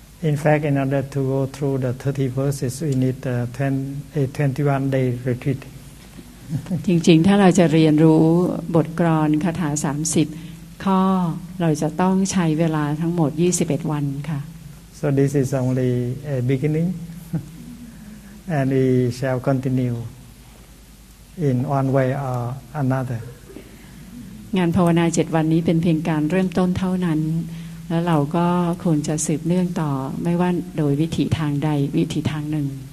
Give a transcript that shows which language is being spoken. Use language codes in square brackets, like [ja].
[en] In fact in order to go through the 30 verses we need a 21 day retreat [th] จริงๆถ้าเราจะเรียนรู้บทกลอนคาถา30ข้อเราจะต้องใช้เวลาทั้งหมด21วันค่ะ [en] So this is only a beginning and we shall continueIn one way or another. [th] งานภาวนา7วันนี้เป็นเพียงการเริ่มต้นเท่านั้นแล้วเราก็ควรจะสืบเนื่องต่อไม่ว่าโดยวิถีทางใดวิถีทางหนึ่ง